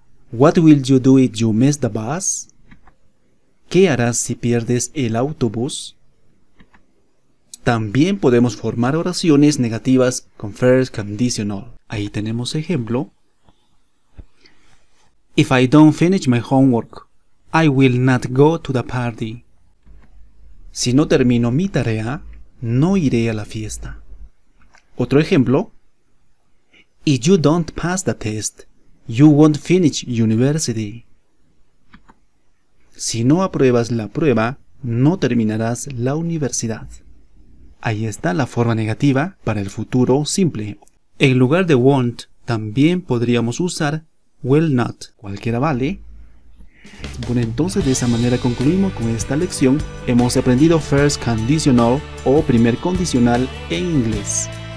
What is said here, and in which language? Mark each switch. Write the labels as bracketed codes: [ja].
[en] What will you do if you miss the bus? [es] ¿Qué harás si pierdes el autobús? También podemos formar oraciones negativas con first conditional. Ahí tenemos ejemplo. [en] If I don't finish my homework, I will not go to the party. [es] Si no termino mi tarea, no iré a la fiesta. Otro ejemplo. [en] If you don't pass the test, you won't finish university. [es] Si no apruebas la prueba, no terminarás la universidad. Ahí está la forma negativa para el futuro simple. En lugar de won't, también podríamos usar will not. Cualquiera vale. Bueno, entonces de esa manera concluimos con esta lección. Hemos aprendido first conditional o primer condicional en inglés.